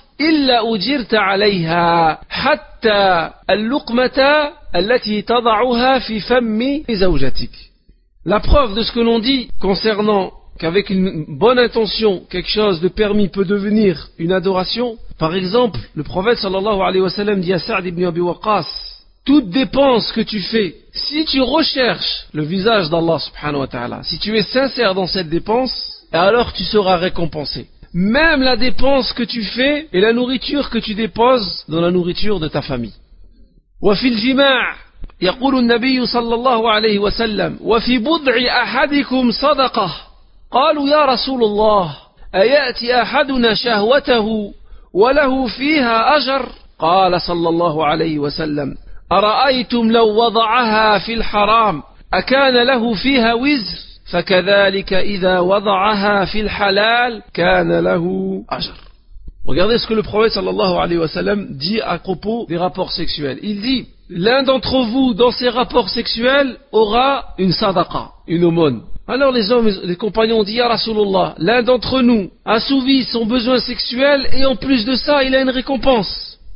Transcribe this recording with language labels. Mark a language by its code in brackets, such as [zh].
[ar] إلا أجرت عليها حتى اللقمة التي تضعها في فم زوجتك. [fr] La preuve de ce que l'on dit concernant qu'avec une bonne intention, quelque chose de permis peut devenir une adoration. Par exemple, le prophète sallallahu alayhi wa sallam dit à Sa'd ibn Abi Waqas, toute dépense que tu fais, si tu recherches le visage d'Allah subhanahu wa ta'ala, si tu es sincère dans cette dépense, alors tu seras récompensé. Même la dépense que tu fais et la nourriture que tu déposes dans la nourriture de ta famille. [ar] وفي الجماع يقول النبي صلى الله عليه وسلم وفي بضع أحدكم صدقة قالوا يا رسول الله أيأتي أحدنا شهوته وله فيها أجر قال صلى الله عليه وسلم أرأيتم لو وضعها في الحرام أكان له فيها وزر فكذلك إذا وضعها في الحلال كان له أجر. [fr] Regardez ce que le prophète sallallahu alayhi wa sallam dit à propos des rapports sexuels. Il dit, l'un d'entre vous dans ses rapports sexuels aura une sadaqa, une aumône. Alors les hommes, les compagnons ont dit, ya Rasulullah, l'un d'entre nous assouvit son besoin sexuel et en plus de ça il a une récompense.